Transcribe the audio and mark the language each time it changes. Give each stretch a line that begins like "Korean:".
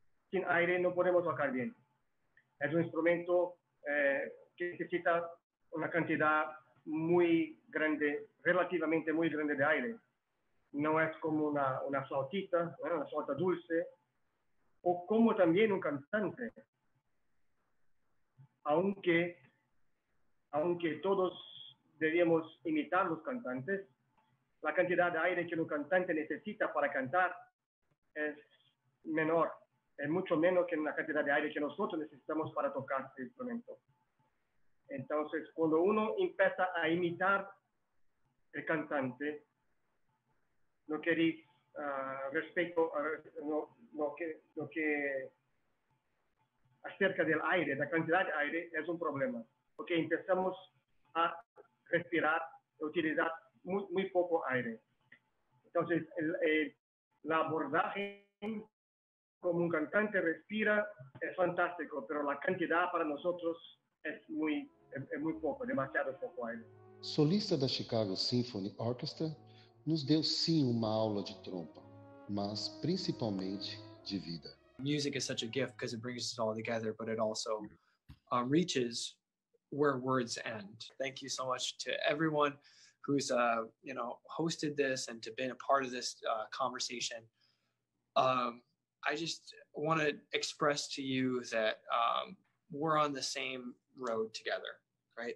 Portuguese: Sem aire não podemos tocar bem. É um instrumento que necessita uma quantidade muito grande, relativamente muito grande de aire. Não é como uma flautista, uma flauta dulce, ou como também um cantante.
Spanish: Aunque todos debíamos imitar los cantantes, la cantidad de aire que un cantante necesita para cantar es menor, es mucho menos que la cantidad de aire que nosotros necesitamos para tocar el instrumento. Entonces, cuando uno empieza a imitar el cantante, no queréis respecto a lo que acerca del aire, la cantidad de aire, es un problema. Porque empezamos a respirar, a utilizar muy, muy poco aire. Entonces, el abordaje como un cantante respira es fantástico, pero la cantidad para nosotros es muy poco, demasiado poco aire.
Portuguese: Solista da Chicago Symphony Orchestra nos deu sim uma aula de trompa, mas principalmente de vida.
English: Music is such a gift because it brings us all together, but it also reaches where words end. Thank you so much to everyone who's hosted this and to been a part of this conversation. I just want to express to you that we're on the same road together, right?